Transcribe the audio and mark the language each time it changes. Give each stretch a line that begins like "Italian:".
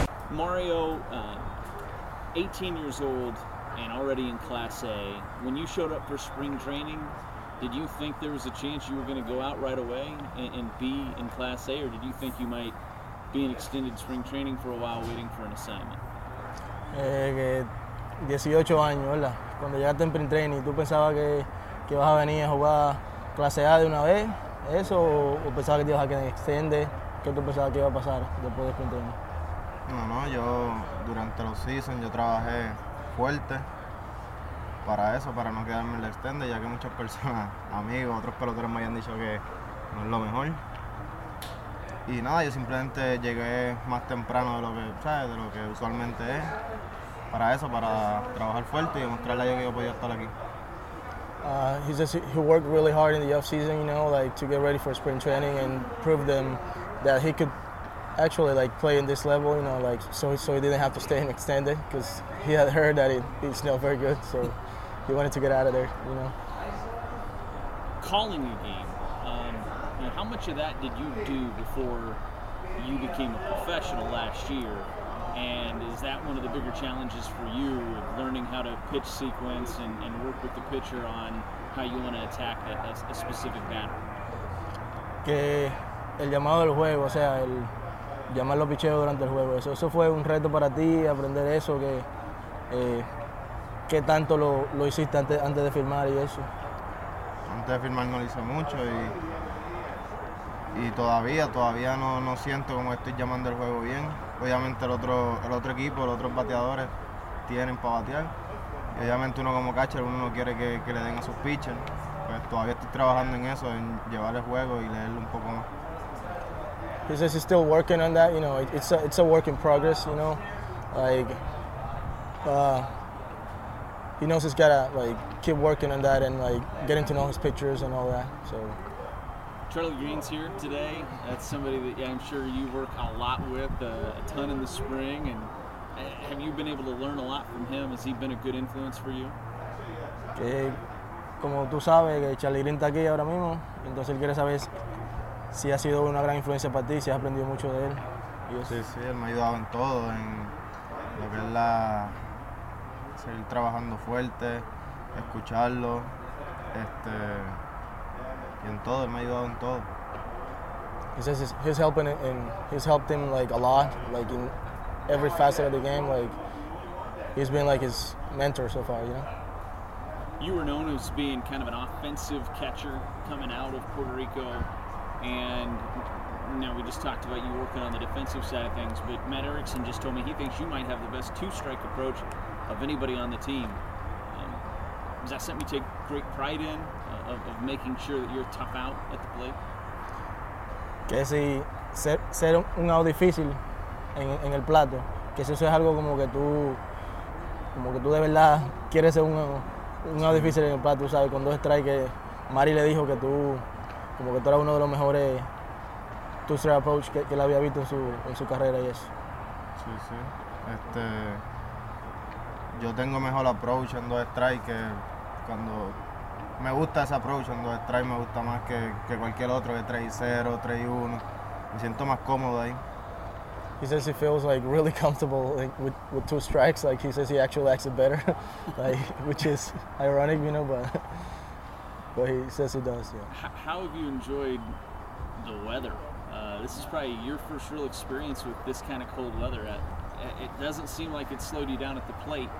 English: Mario, 18 years old and already in Class A. When you showed up for spring training, did you think there was a chance you were going to go out right away and be in Class A, or did you think you might be in extended spring training for a while waiting for an assignment?
Spanish: 18 años, ¿verdad? Cuando llegaste en spring training, ¿tú pensabas que ibas a venir a jugar clase A de una vez, eso, o pensabas que te ibas a quedar en extender? ¿Qué tú pensabas que iba a pasar después de spring training? No, no, yo durante los seasons yo trabajé fuerte para eso, para no quedarme en el extended, ya que muchas personas, amigos, otros peloteros me habían dicho que no es lo mejor. Y nada, yo simplemente llegué más temprano de lo que, ¿sabes?, de lo que usualmente es, para eso, para trabajar fuerte y demostrarle a ellos que yo podía estar aquí.
English: He worked really hard in the off season, you know, like to get ready for spring training and prove them that he could actually like play in this level, you know, like so he didn't have to stay in extended because he had heard that it's not very good, so he wanted to get out of there, you know. Calling a game, you know, how much of that did you do before you became a professional last year? And is that one of the bigger challenges for you, learning how to pitch sequence and work with the pitcher on how you want to attack a specific batter?
Spanish: Que el llamado del juego, o sea, el llamar los picheos durante el juego, eso fue un reto para ti, aprender eso, que tanto lo hiciste antes de firmar y eso. Antes de firmar no lo hice mucho y todavía no siento como estoy llamando el juego bien. Obviamente el otro equipo, los otros bateadores tienen para batear. Y obviamente uno como catcher, uno no quiere que le den a sus pitchers. Pues todavía estoy trabajando en eso, en llevar el juego y leerlo un poco más.
English: He says he's still working on that, you know, it's a work in progress, you know. Like, he knows he's gotta like keep working on that and like getting to know his pitchers and all that, so. Charlie Green's here today. That's somebody that, yeah, I'm sure you work a lot with, a ton in the spring. And have you been able to learn a lot from him? Has he been a good influence for you?
Spanish: Que, como tú sabes, Charlie Green está aquí ahora mismo. Entonces él quiere saber si ha sido una gran influencia para ti, si has aprendido mucho de él. Sí, él me ha ayudado en todo, en lo que es seguir trabajando fuerte, escucharlo, en todo, me ha ayudado en todo.
English: He says he's helping and he's helped him like a lot, like in every facet of the game. Like he's been like his mentor so far, you know. You were known as being kind of an offensive catcher coming out of Puerto Rico, and now we just talked about you working on the defensive side of things. But Matt Erickson just told me he thinks you might have the best two-strike approach of anybody on the team. Is that something you take great pride in? Of making sure that you're tough out at the plate.
Spanish: Que si ser un out difícil en el plato, que si eso es algo como que tú de verdad quieres ser un out difícil en el plato, sabes, con dos strikes. Mari le dijo que tú como que tú eras uno de los mejores two strike approach que la había visto en su carrera y eso. Sí. Yo tengo mejor approach en dos strikes que cuando. Me gusta ese approach, en dos strikes me gusta más que cualquier otro, que 3-0, 3-1. Me siento más cómodo ahí.
English: He says he feels like really comfortable like with two strikes. Like he says he actually acts it better. Like, which is ironic, you know, but he says he does, yeah. How have you enjoyed the weather? This is probably your first real experience with this kind of cold weather. It doesn't seem like it slowed you down at the plate.